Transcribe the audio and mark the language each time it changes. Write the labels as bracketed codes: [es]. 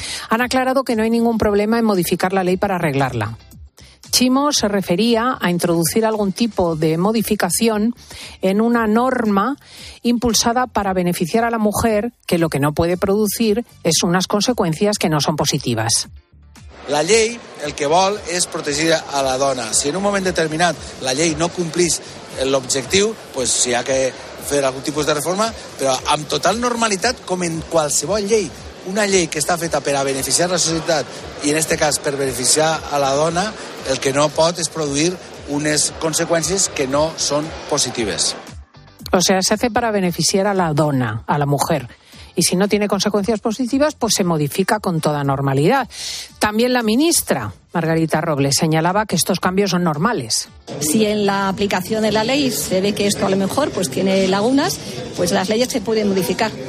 [es] Han aclarado que no hay ningún problema en modificar la ley para arreglarla. Ximo se refería a introducir algún tipo de modificación en una norma impulsada para beneficiar a la mujer, que lo que no puede producir es unas consecuencias que no son positivas. [ca] La llei el que vol és protegir a la dona. Si en un moment determinat la llei no complís l'objectiu, pues si hi ha que fer algun tipus de reforma, però amb total normalitat, com en qualsevol llei, una llei que està feta per a beneficiar la societat i en este cas per beneficiar a la dona, el que no pot és produir unes conseqüències que no són positives. [es] O sea, se hace para beneficiar a la dona, a la mujer. Y si no tiene consecuencias positivas, pues se modifica con toda normalidad. También la ministra, Margarita Robles, señalaba que estos cambios son normales. Si en la aplicación de la ley se ve que esto a lo mejor pues tiene lagunas, pues las leyes se pueden modificar.